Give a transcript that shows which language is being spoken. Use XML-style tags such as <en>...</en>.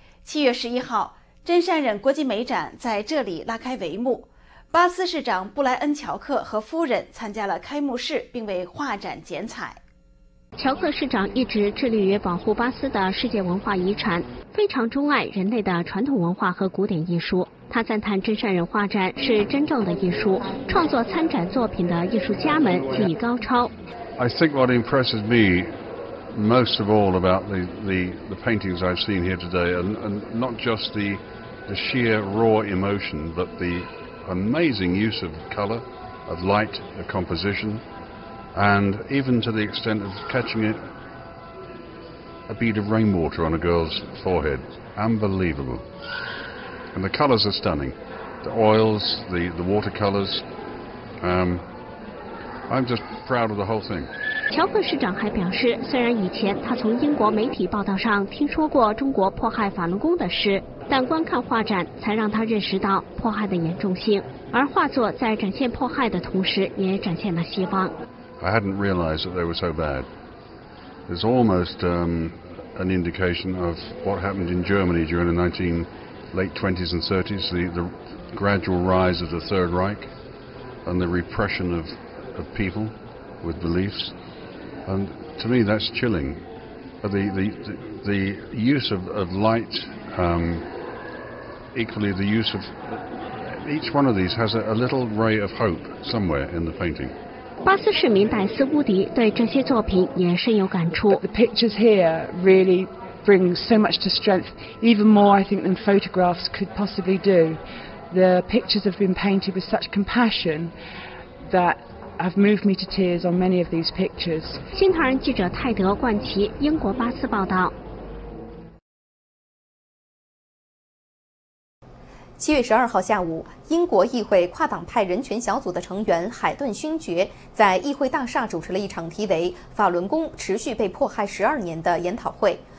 <zh>7月11号，真善忍国际美展在这里拉开帷幕，巴斯市长布莱恩·乔克和夫人参加了开幕式，并为画展剪彩。乔克市长一直致力于保护巴斯的世界文化遗产，非常钟爱人类的传统文化和古典艺术。他赞叹真善忍画展是真正的艺术，创作参展作品的艺术家们技艺高超。</zh> <en>I think what impresses me most of all about the paintings I've seen here today, and not just the sheer raw emotion, but the amazing use of color, of light, of composition, and even to the extent of catching it, a bead of rainwater on a girl's forehead. Unbelievable. And the colors are stunning. The oils, the watercolors. I'm just proud of the whole thing.</en> <zh>乔克市长还表示，虽然以前他从英国媒体报道上听说过中国迫害法轮功的事，但观看画展才让他认识到迫害的严重性。而画作在展现迫害的同时，也展现了希望。</zh> <en>I hadn't realized that they were so bad. It's almost an indication of what happened in Germany during the late 20s and 30s, the gradual rise of the Third Reich and the repression of people with beliefs. And to me, that's chilling. The use of light, equally the use of... Each one of these has a little ray of hope somewhere in the painting.</en> <zh>巴斯市民戴斯乌迪对这些作品也深有感触。</zh> <en>The pictures here really bring so much to strength, even more I think than photographs could possibly do. The pictures have been painted with such compassion that have moved me to tears on many of these pictures.</en> <zh>新唐人记者泰德·冠奇，英国巴斯报道。 7月12号下午，英国议会跨党派人权小组的成员海顿勋爵在议会大厦主持了一场题为《法轮功持续被迫害12年》的研讨会。</zh>